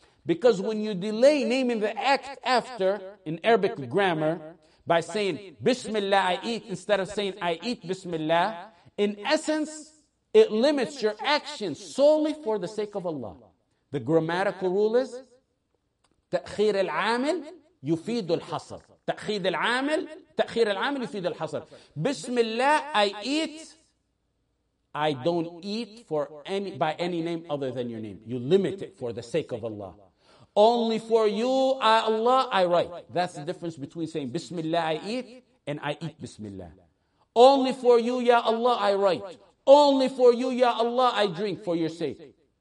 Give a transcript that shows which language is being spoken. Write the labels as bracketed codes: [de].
[en] Because when you delay naming the act after, in Arabic grammar, by saying Bismillah, I eat, instead of saying I eat Bismillah, in essence, it limits your action solely for the sake of Allah. The grammatical rule is [ar] تأخير العامل يفيد الحصر. تأخير العامل يفيد الحصر. [en] Bismillah, I eat. I don't eat for by any name other than your name. You limit it for the sake of Allah. Only for you, Allah, I write. That's the difference between saying Bismillah, I eat, and I eat Bismillah. Only for you, Ya Allah, I write. Only for you, Ya Allah, I drink for your sake.